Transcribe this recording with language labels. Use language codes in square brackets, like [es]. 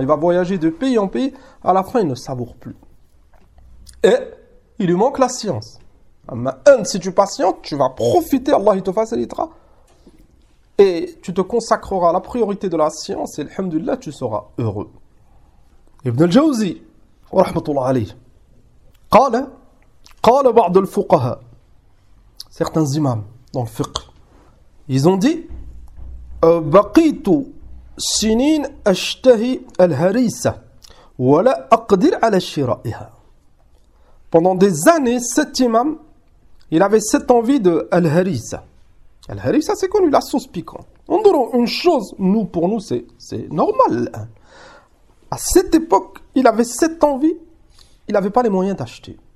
[fr] Il va voyager de pays en pays. À la fin, il ne savoure plus. Et il lui manque la science. Mais si tu patientes, tu vas profiter. Allah, il te facilitera. Et tu te consacreras à la priorité de la science. Et alhamdoulilah, tu seras heureux. Ibn al-Jawzi. [ar] ورحمة الله عليه قال قال بعض الفقهاء [fr] certains imams dans le fiqh ils ont dit [ar] بقيت سنين أشتهي الهريسة ولا أقدر على شرائها. [fr] Pendant des années, cet imam, il avait cette envie de الهريسة. الهريسة, c'est connu, la sauce piquante. On dira une chose, nous, pour nous, c'est normal. À cette époque, il avait cette envie, il n'avait pas les moyens d'acheter.